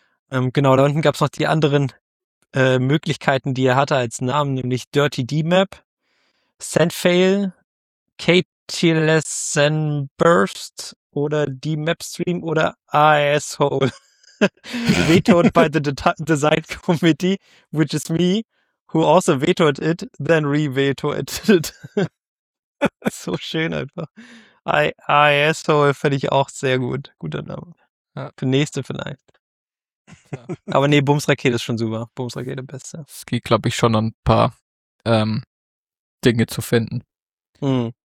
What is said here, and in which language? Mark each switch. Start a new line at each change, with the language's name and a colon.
German: Genau, da unten gab es noch die anderen Möglichkeiten, die er hatte als Namen, nämlich Dirty D-Map, Sendfail, KTLSN Burst, oder die Mapstream oder Asshole.
English: Vetoed by the Design Committee, which is me, who also vetoed it, then re-vetoed it.
German: So schön einfach. Asshole finde ich auch sehr gut. Guter Name. Ja. Für nächste vielleicht. Ja. Aber nee, Bumsrakete ist schon super. Bumsrakete beste. Es geht, glaube ich, schon ein paar Dinge zu finden. Hm.